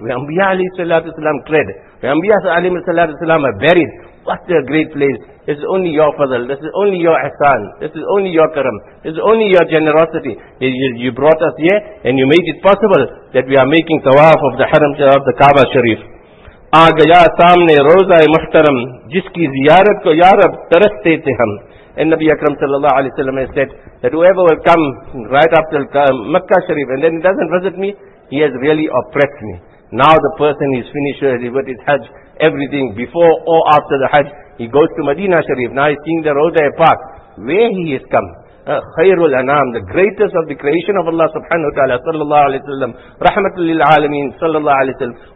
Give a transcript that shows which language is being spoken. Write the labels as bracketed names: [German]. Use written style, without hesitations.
[English] Where Anbiya alayhi salatu salam tread. Where Anbiya alayhi salatu salam are buried. What a great place. This is only your fadl. This is only your ihsan. This is only your karam. This is only your generosity. You brought us here and you made it possible that we are making tawaf of the Haram Sharif, of the Kaaba Sharif. [Urdu] آ گیا سامنے روضہ محترم جس کی زیارت کو یا رب ترستے تھے ہم. [English] And Nabi Akram sallallahu alayhi wa sallam has said that whoever will come right up to Makkah Sharif and then he doesn't visit me, he has really oppressed me. Now the person is finished with his Hajj, everything before or after the Hajj, he goes to Madinah Sharif. Now he's seeing the Rozae Park. Where he has come? Khairul Anam, the greatest of the creation of Allah subhanahu wa ta'ala sallallahu alayhi wa sallam, rahmatul lil alameen sallallahu alayhi wa sallam.